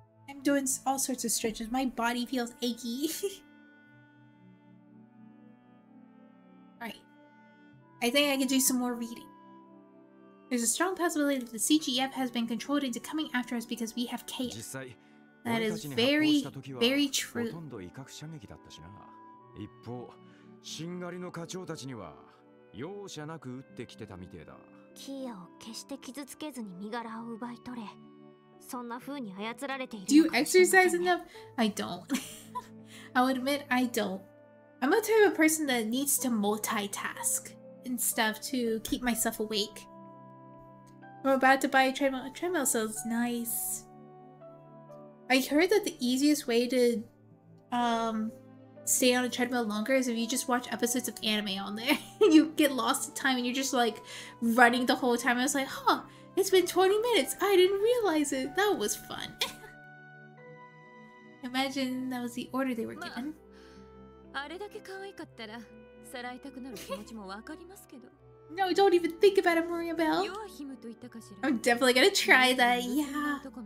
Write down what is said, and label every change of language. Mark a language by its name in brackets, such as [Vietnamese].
[English] I'm doing all sorts of stretches. My body feels achy. Alright. I think I can do some more reading. There's a strong possibility that the CGF has been controlled into coming after us because we have chaos. That is very, very true. [Japanese] ほとんど威嚇射撃だったしな。一方、シンガリの課長たちには容赦なく撃ってきてたみてえだ。キーヤを決して傷つけずに身柄を奪い取れ。そんな風に操られている。 [English] Do you exercise enough? I don't. I'll admit, I don't. I'm a type of person that needs to multitask and stuff to keep myself awake. I'm about to buy a treadmill. A treadmill sounds nice. I heard that the easiest way to stay on a treadmill longer is if you just watch episodes of anime on there. You get lost in time and you're just like running the whole time. I was like, huh, it's been 20 minutes. I didn't realize it. That was fun. Imagine that was the order they were given. [Japanese] あれだけ可愛かったらさらいたくなる気持ちもわかりますけど。 [English] No, don't even think about it, Maria Bell. I'm definitely gonna try that, yeah.